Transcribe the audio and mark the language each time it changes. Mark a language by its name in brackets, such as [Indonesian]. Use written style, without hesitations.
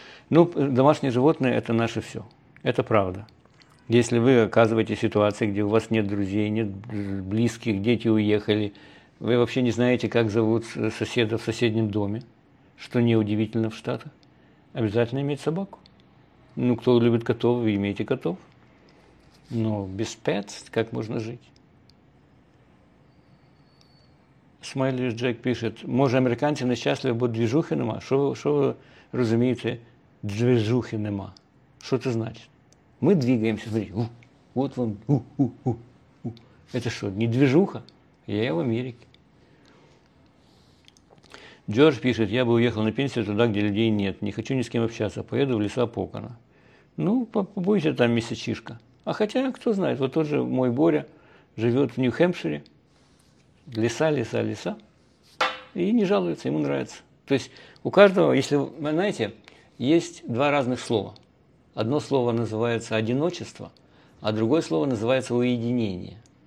[Russian] Ну, домашние животные – это наше все. Это правда. Если вы оказываетесь в ситуации, где у вас нет друзей, нет близких, дети уехали, вы вообще не знаете, как зовут соседа в соседнем доме, что неудивительно в Штатах, обязательно иметь собаку. Ну, кто любит котов, вы имеете котов. Но без pets как можно жить? [Ukrainian] Смайли Джек пишет, може американці нещасливі, бо движухи нема? Що ви розумієте, движухи нема? Що це значить? Ми двигаємося, смотрите, от вам, Це що, не движуха? Я в Америці. Джордж пишет, я би уїхав на пенсію туди, де людей нет, не хочу ні з ким общатися, поїду в ліса Покана. Ну, побудьте там місячишка. А хоча, хто знає, от той же мой Боря живе в Нью-Хемпширі, [Russian] леса, леса, леса, и не жалуется, ему нравится. То есть у каждого, если вы знаете, есть два разных слова. Одно слово называется одиночество, а другое слово называется уединение.